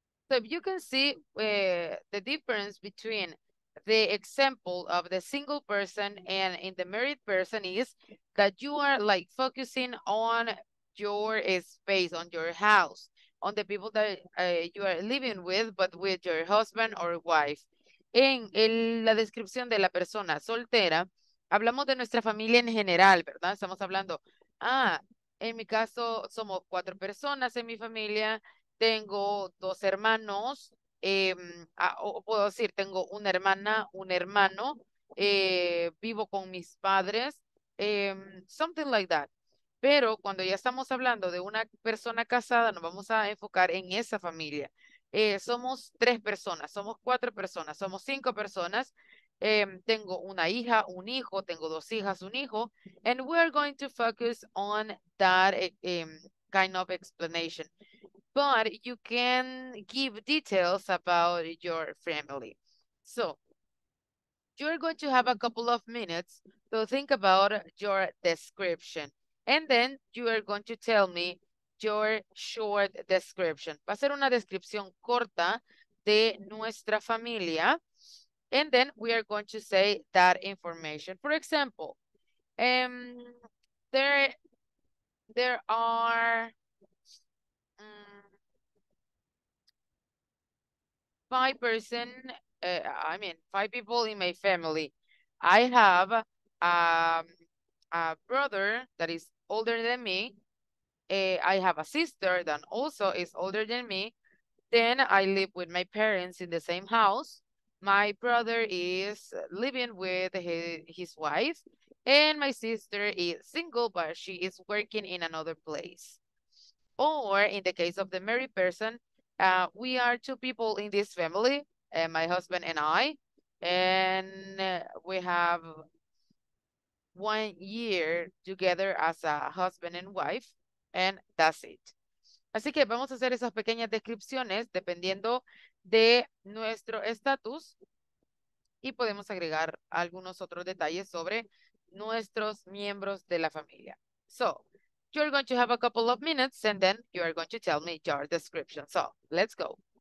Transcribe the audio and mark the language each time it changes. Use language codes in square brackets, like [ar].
[en] So if you can see the difference between the example of the single person and in the married person is that you are like focusing on your space, on your house, on the people that you are living with, but with your husband or wife. [es] En la descripción de la persona soltera, hablamos de nuestra familia en general, ¿verdad? Estamos hablando, en mi caso somos cuatro personas en mi familia, tengo dos hermanos, o puedo decir, tengo una hermana, un hermano, vivo con mis padres, [en] something like that. [es] Pero cuando ya estamos hablando de una persona casada, nos vamos a enfocar en esa familia. Somos tres personas, somos cuatro personas, somos cinco personas. Tengo una hija, un hijo, tengo dos hijas, un hijo. [en] And we're going to focus on that kind of explanation. But you can give details about your family. So you're going to have a couple of minutes to think about your description. And then you are going to tell me your short description. [es] Va a ser una descripción corta de nuestra familia. [en] And then we are going to say that information. For example, five people in my family. I have a brother that is older than me. I have a sister that also is older than me. Then I live with my parents in the same house. My brother is living with his wife, and my sister is single, but she is working in another place. Or in the case of the married person, we are two people in this family, my husband and I, and we have 1 year together as a husband and wife, and that's it. [es] Así que vamos a hacer esas pequeñas descripciones dependiendo de nuestro estatus y podemos agregar algunos otros detalles sobre nuestros miembros de la familia. [en] So, you're going to have a couple of minutes and then you are going to tell me your description. So, let's go.